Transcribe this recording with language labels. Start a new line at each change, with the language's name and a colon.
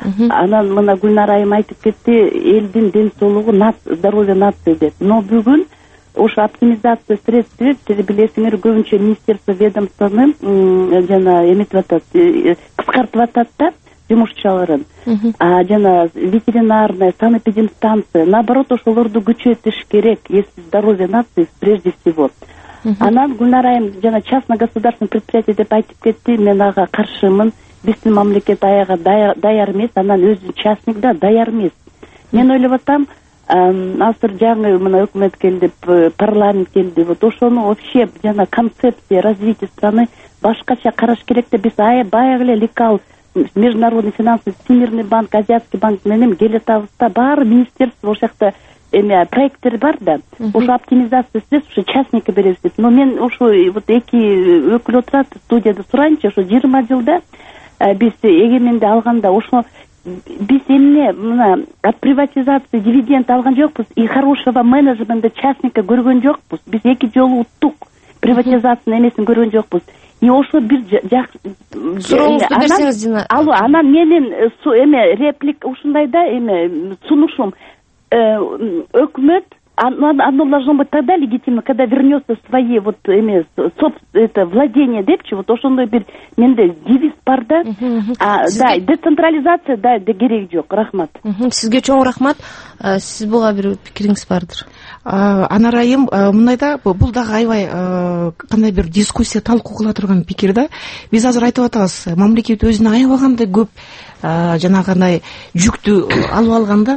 Kyrgyz: Анан мына Гүлнара айым айтып кетти, элдин ден соолугу
Russian: здоровье нации
Kyrgyz: деп. Но бүгүн ошо
Russian: оптимизация средств
Kyrgyz: деп билесиңер, көбүнчө министерство ведомствону жана эметип атат, кыскартып атат да жумушчаларын. Жана
Russian: ветеринарная, санэпидемстанция, наоборот,
Kyrgyz: ошолорду күчөтүш керек,
Russian: если здоровье нации прежде всего.
Kyrgyz: Анан Гүлнара айым жана
Russian: частный государственный предприятие
Kyrgyz: деп айтып кетти, мен ага каршымын. Биздин мамлекет аяга даяр эмес, анан өзү частник да даяр эмес. Мен ойлоп атам, азыр жаңы мына өкмөт келди, парламент келди, вот ошону вообще жана
Russian: концепция развития страны
Kyrgyz: башкача караш керек да. Биз баягы эле
Russian: лекал международный финансовый, всемирный банк, азиатский банк
Kyrgyz: менен келе атабыз да, баары министерство ошол жакта эме проекттер бар да, ошо оптимизация сиз ушу частникке бересиз деп. Но мен ошо вот эки өкүл отурат студияда, сурайынчы, ошо 20 жылда биз эгеменди алганда ошо биз эмне мына
Russian: от приватизации дивиденд
Kyrgyz: алган жокпуз
Russian: и хорошего менеджмента частника
Kyrgyz: көргөн жокпуз. Биз эки жолу уттук приватизациянын эмесин көргөн жокпуз. И ошо бир сурооңузду берсеңиз, Дина. Алло, анан менин эме реплика ушундай да, эме сунушум: өкмөт
Russian: оно должно быть тогда легитимно, когда вернется свои вот
Kyrgyz: эме
Russian: это владение
Kyrgyz: депчи, вот ошондой бир менде девиз бар да. Да, децентрализация да керек жок. Рахмат. Сизге чоң рахмат. Сиз буга бир пикириңиз бардыр? Анар айым, мындай да, бул дагы аябай кандай бир дискуссия талкуу кыла турган пикир да. Биз азыр айтып атабыз, мамлекет өзүнө аябагандай көп жанагындай жүктү алып алган да.